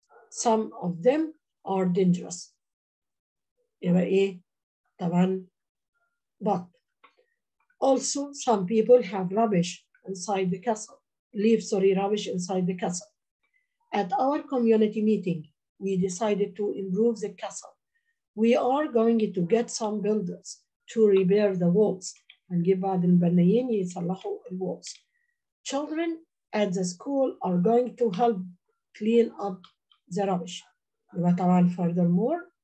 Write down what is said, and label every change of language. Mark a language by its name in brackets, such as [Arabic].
[English] Some of them are dangerous. [Arabic] يبقى ايه؟ طبعا. [English] But also some people have rubbish inside the castle. Rubbish inside the castle. At our community meeting, we decided to improve the castle. We are going to get some builders to repair the walls. [Arabic] هنجيب بعض البنايين يصلحوا الwalls. [English] Children at the school are going to help clean up the rubbish. [Arabic] يبقى طبعا furthermore.